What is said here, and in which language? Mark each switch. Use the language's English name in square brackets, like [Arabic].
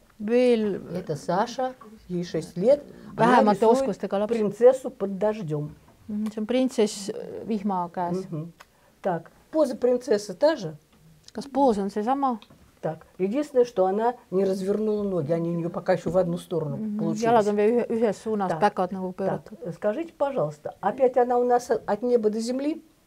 [Russian] Это Саша, ей 6 лет, она рисует принцессу под дождем. [Estonian] Чем принцесс вихма käes. [Russian] Так, поза принцессы та же? [Estonian] Kas pose on see sama? [Russian] Так, единственное, что она не развернула ноги, они у нее пока еще в одну сторону получились. [Estonian] Jalad on veel ühes suunas, päkad nagu pööratud. [Russian] Так, скажите, пожалуйста, опять она у нас от неба до земли?